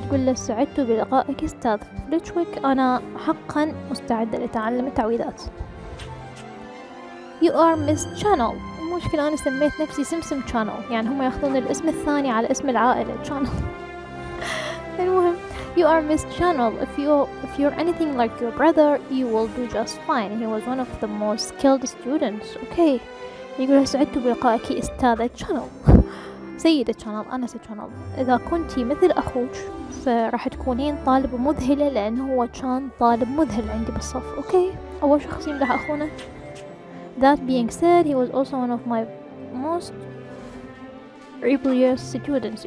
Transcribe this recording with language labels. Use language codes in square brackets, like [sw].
[ar] تقول له سعدت بلقائك استاذ فليتشويك. انا حقا مستعدة لتعلم التعويذات. [en] You are Miss Channel. [ar] مشكلة انا سميت نفسي سمسم شانل يعني هم ياخذون الاسم الثاني على اسم العائلة شانل. المهم [en] You are Miss Channel. If you're anything like your brother, you will do just fine. He was one of the most skilled students. Okay. [ar] يقول سعدت بلقائك استاذة شانل. سيدة شانل انا سيدة شانل. اذا كنتي مثل اخوك فراح تكونين طالب مذهلة لانه هو كان طالب مذهل عندي بالصف. اوكي. اول شخص يمدح اخونا. [en] That being said, he was also one of my most rebellious students.